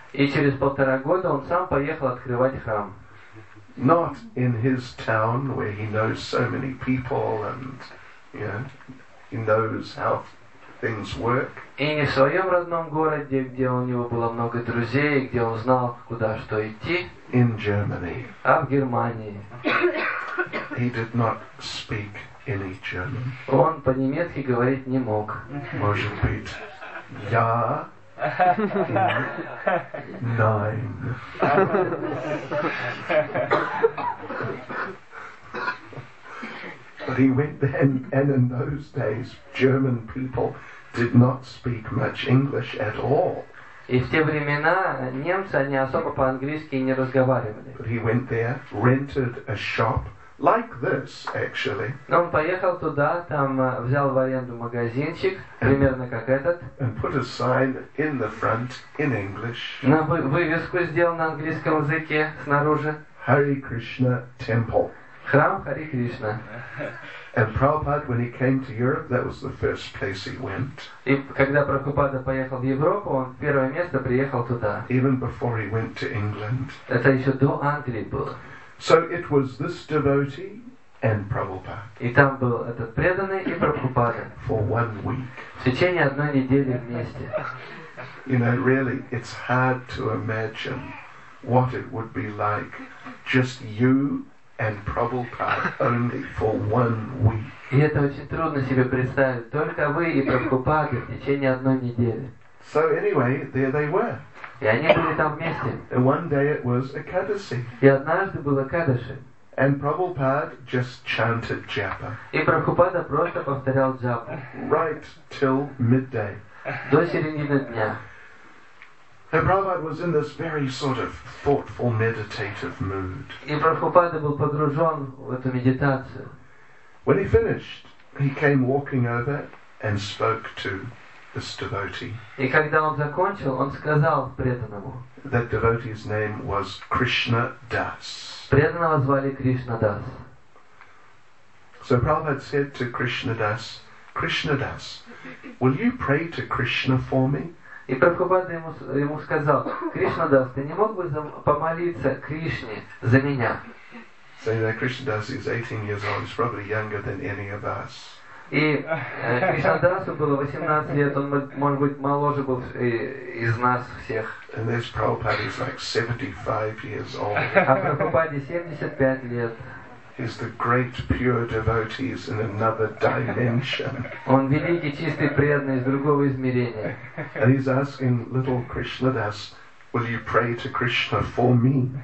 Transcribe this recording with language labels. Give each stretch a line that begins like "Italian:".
Russian: И через полтора года он сам поехал открывать храм.
English: Not in his town where he knows so many people and, you know, he knows how things work.
Russian: И не в своем родном городе, где у него было много друзей, где он знал, куда что идти.
English: In Germany.
Russian: А в Германии.
English: He did not speak any German.
Russian: Он по-немецки говорить не мог. Может быть, я...
English: Nine. But he went there, and in those days, German people did not speak much English at all.
Russian: И в те времена немцы они особо по-английски не разговаривали.
English: But he went there, rented a shop like this, actually.
Russian: Но он поехал туда, там взял в аренду магазинчик, примерно как этот.
English: And put a sign in the front in English.
Russian: На вывеску сделал на английском языке снаружи.
English: Hare Krishna Temple.
Russian: Храм Хари Кришна.
English: And Prabhupada, when he came to Europe, that was the first place he went.
Russian: И когда Прабхупада поехал в Европу, он первое место приехал туда.
English: Even before he went to England.
Russian: Это еще до Англии было.
English: So it was this devotee and Prabhupada.
Russian: И там был этот преданный и Прабхупада.
English: For 1 week.
Russian: В течение одной недели вместе.
English: You know, really, it's hard to imagine what it would be like just you and Prabhupada only for 1 week.
Russian: И это очень трудно себе представить. Только вы и Прабхупада в течение одной недели.
English: So anyway, there they were.
Russian: И они были там вместе.
English: And one day it was Ekadasi.
Russian: И однажды было Экадаши.
English: And Prabhupada just chanted Japa.
Russian: И Прабхупада просто повторял Джапу.
English: Right till midday.
Russian: До середины дня.
English: And Prabhupada was in this very sort of thoughtful, meditative mood.
Russian: И Прабхупада был погружен в эту медитацию.
English: When he finished, he came walking over and spoke to.
Russian: И когда он закончил, он сказал преданному.
English: That devotee's name was Krishna Das.
Russian: Преданного звали Кришна Дас.
English: So Prabhupada said to Krishna Das, Krishna Das, will you pray to Krishna for me?
Russian: И Прабхупада ему сказал, Кришна Дас, ты не мог бы помолиться Кришне за меня?
English: So you know, Krishna Das is 18 years old. He's probably younger than any of us.
Russian: И Кришнадасу было 18 лет, он, может быть, моложе был из нас всех.
English: And this Prabhupada is like 75 years old.
Russian: А Прабхупаде 75 лет.
English: He's the great pure devotees in another dimension.
Russian: Он великий, чистый, преданный из другого измерения.
English: And he's asking little Krishnadas, will you pray to Krishna for me?